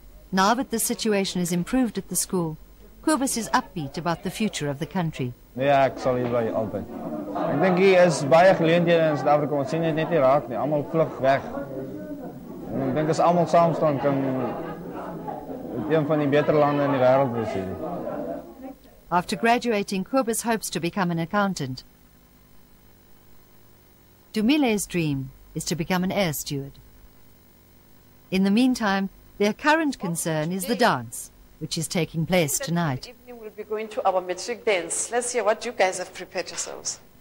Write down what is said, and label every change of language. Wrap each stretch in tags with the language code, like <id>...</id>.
<en>Now that the situation is improved at the school, Kubus is upbeat about the future of the country.</en> <af>Ja, ek sal hier bly altyd. Ek dink hier is baie geleenthede in Suid-Afrika, ons sien dit net nie raak nie, almal vlug weg. En ek dink as almal saam staan kan dit een van die beter lande in die wêreld wees.</af> <en>After graduating, Kubus hopes to become an accountant. Dumile's dream is to become an air steward. In the meantime, their current concern is the dance, which is taking place tonight. This evening we'll be going to our Matric dance. Let's hear what you guys have prepared yourselves.</en>